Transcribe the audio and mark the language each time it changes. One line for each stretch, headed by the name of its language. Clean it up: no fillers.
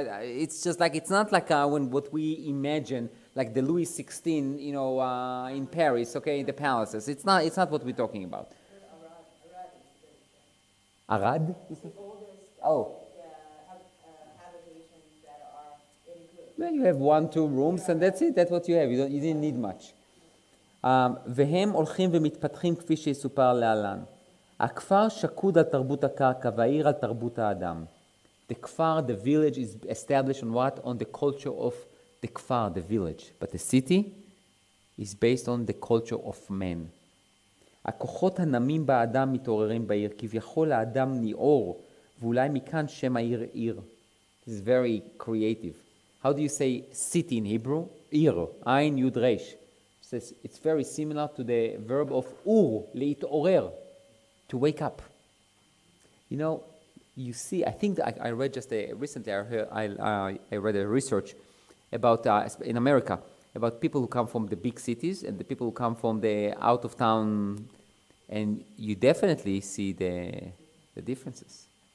English: It's just like, it's not like what we imagine, like the Louis XVI, you know, in Paris, okay, in the palaces. It's not what we're talking about. Arad? Well, you have 1-2 rooms and that's it. That's what you have. You didn't need much.
Hebrew: והם הולכים ומתפתחים כפי שיסופר להלן. הכפר שקוד על תרבות הקרקע והעיר על תרבות האדם.
English: The kfar, the village, is established on what? On the culture of the kfar, the village. But the city is based on the culture of man.
Hebrew: הכוחות הנמים באדם מתעוררים בעיר, כביכול האדם ניעור, ואולי מכאן שם העיר עיר.
English: This is very creative. How do you say city in Hebrew? עיר,
Hebrew: עין יוד רש.
English: It's very similar to the verb of ur, להתעורר. To wake up. You know, you see, I think I read just recently, I read a research about in America, about people who come from the big cities and the people who come from the out of town, and you definitely see the differences.